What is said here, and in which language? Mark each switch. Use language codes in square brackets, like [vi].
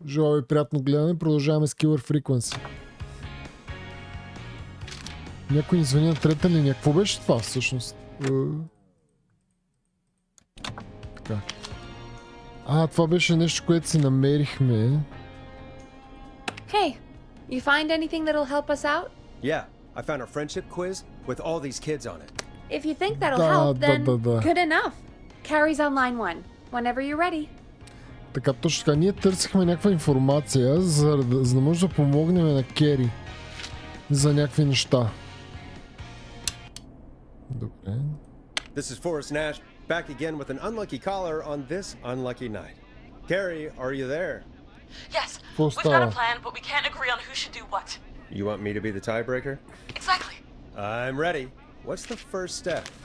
[bg] Желая ви приятно гледане. Продължаваме с Killer Frequency. Някой ни звъня на трета линия. Какво беше това всъщност? Така. А, това беше нещо, което си намерихме. [en] Hey, you find anything that'll help us out? Yeah, I found a friendship quiz with all these kids on it. If you think that'll help, then good enough. Carries on line one. Whenever you're ready. [bg] Така, точно така. Ние търсихме някаква информация, за да може да помогнем на Кери за някакви неща. Добре. [en] This is Forrest Nash, back again with an unlucky caller on this unlucky night. Кери, are you there? Yes. We've got a plan, but we can't agree on who should do what. You want me to be the tiebreaker? Exactly. I'm ready. What's the first step?